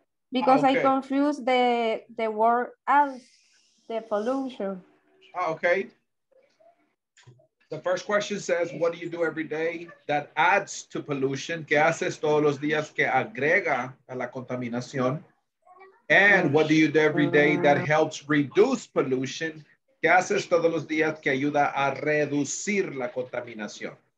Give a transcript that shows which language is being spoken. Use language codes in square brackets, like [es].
[en] Because okay. I confuse the word as the pollution. Okay. The first question says, what do you do every day that adds to pollution? [es] ¿Qué haces todos los días que agrega a la contaminación? [en] And what do you do every day that helps reduce pollution? [es] ¿Qué haces todos los días que ayuda a reducir la contaminación?